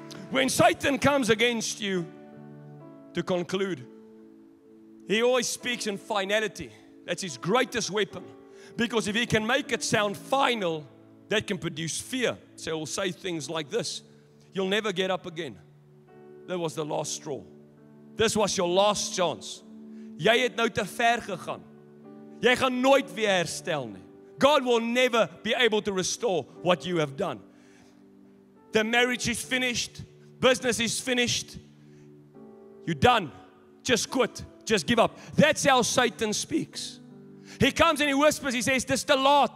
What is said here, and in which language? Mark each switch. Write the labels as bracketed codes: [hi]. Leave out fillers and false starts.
[en] When Satan comes against you, to conclude, he always speaks in finality. That's his greatest weapon. Because if he can make it sound final, that can produce fear. So he'll say things like this: you'll never get up again. That was the last straw. This was your last chance. [af] Jy het nou te ver gegaan. Jy gaan nooit weer herstel nie. [en] God will never be able to restore what you have done. The marriage is finished. Business is finished. You're done. Just quit. Just give up. That's how Satan speaks. He comes and he whispers. He says, this is the lot.